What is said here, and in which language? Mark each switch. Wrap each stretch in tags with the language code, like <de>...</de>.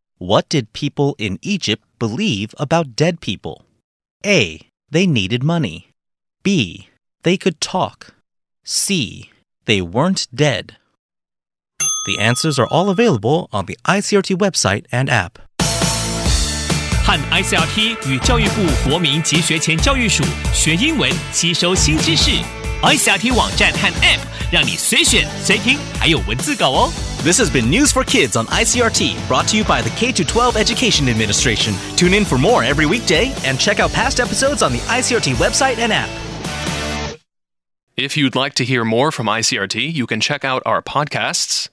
<en>What did people in Egypt believe about dead people? A. They needed money. B. They could talk. C. They weren't dead. The answers are all available on the ICRT website and app.</en> <zh>和 ICRT 与教育部国民及学前教育署学英文，吸收新知识。 iXiaoTi 网站和 App， 让你随选随听，还有文字稿哦。</zh> <en>This has been News for Kids on ICRT, brought to you by the K-12 Education Administration. Tune in for more every weekday and check out past episodes on the ICRT website and app. If you'd like to hear more from ICRT, you can check out our podcasts.</en>